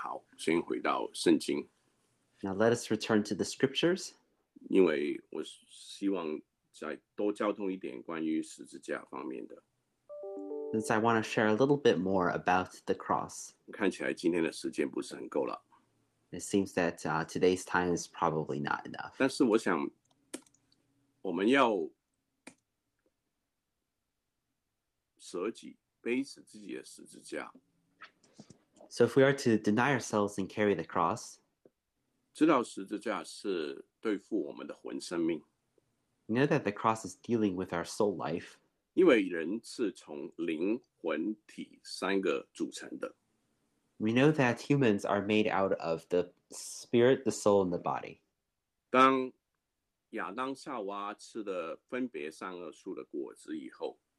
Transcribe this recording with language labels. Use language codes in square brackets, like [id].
[zh] 然后我们回到，先停一下，我看怎么把关掉。Okay，好，先回到圣经。 [en] Now let us return to the scriptures. [zh] 因为我希望再多交通一点关于十字架方面的。 [en] Since I want to share a little bit more about the cross. [zh] 看起来今天的时间不是很够了。 [en] It seems that today's time is probably not enough. [zh] 但是我想，我们要舍己，背起自己的十字架。 [en] So if we are to deny ourselves and carry the cross, [zh] 知道十字架是对付我们的魂生命。 [en] You know that the cross is dealing with our soul life. [zh] 因为人是从灵魂体三个组成的。 [en] We know that humans are made out of the spirit, the soul, and the body. [zh] 当亚当夏娃吃的分别善恶树的果子以后，